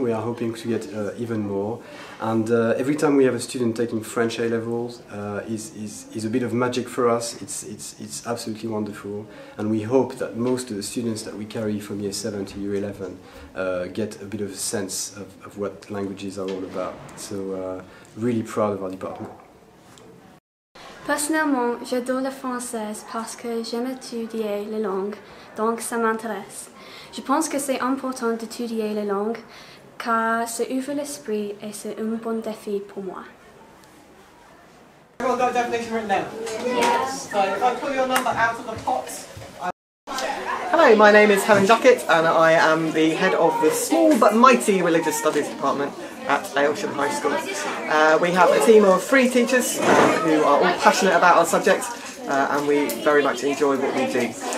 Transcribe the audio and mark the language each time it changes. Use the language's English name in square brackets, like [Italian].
[English] We are hoping to get even more. And every time we have a student taking French A levels is a bit of magic for us. It's absolutely wonderful. And we hope that most of the students that we carry from year 7 to year 11 get a bit of a sense of what languages are all about. So really proud of our department. [French] Personnellement, j'adore le français parce que j'aime étudier les langues, donc ça m'intéresse. Je pense que c'est important d'étudier les langues car ça ouvre l'esprit et c'est un bon défi pour moi. [English] Have you all got a definition written down? Yes. So if I pull your number out of the pot... Hello, my name is Helen Duckett and I am the head of the small but mighty religious studies department at Aylsham High School. We have a team of 3 teachers who are all passionate about our subject and we very much enjoy what we do.